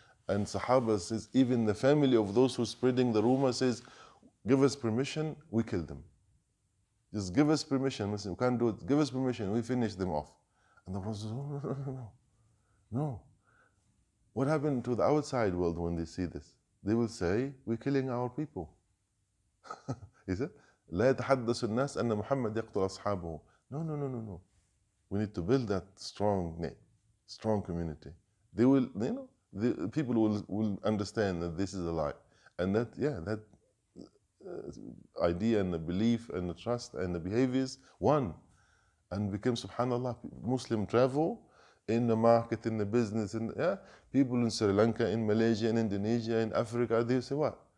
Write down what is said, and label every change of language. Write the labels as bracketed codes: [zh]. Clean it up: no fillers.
[en] And Sahaba says, even the family of those who are spreading the rumor says, give us permission, we kill them. Just give us permission. Listen, we can't do it. Give us permission, we finish them off. And the Prophet says, no. What happened to the outside world when they see this? They will say, we're killing our people. He said, [ar] لا يتحدث الناس أن محمد يقتل أصحابه. [en] No. We need to build that strong community. They will, you know, the people will understand that this is a lie, and that idea and the belief and the trust and the behaviors one, and become subhanAllah. Muslim travel in the market, in the business, and people in Sri Lanka, in Malaysia, in Indonesia, in Africa, they say what?